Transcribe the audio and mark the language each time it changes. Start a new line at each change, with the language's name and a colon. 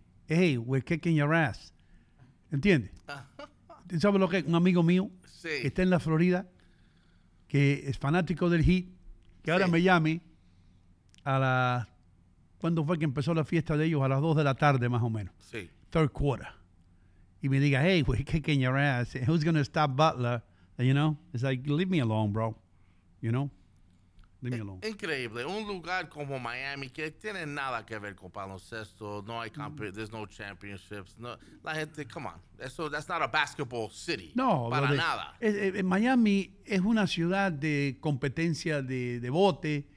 English: Hey, we're kicking your ass.
Spanish: ¿Entiendes? ¿Sabes lo que es? Un amigo mío sí. Que está en la Florida. que es fanático del hit, que sí. Ahora me llame a las... ¿Cuándo fue que empezó la fiesta de ellos? A las 2 de la tarde, más o menos. Sí.
English: Third quarter.
Spanish: Y me diga,
English: hey, we're kicking your ass. Who's going to stop Butler? And, you know, it's like, leave me alone, bro. You know? Leave me alone.
Spanish: Increíble. Un lugar como Miami que tiene nada que ver con baloncesto. No hay campeón.
English: There's no championships.
Spanish: No, la gente,
English: come on.
Spanish: Eso,
English: that's not a basketball city.
Spanish: No. Para nada. Miami es una ciudad de competencia de bote,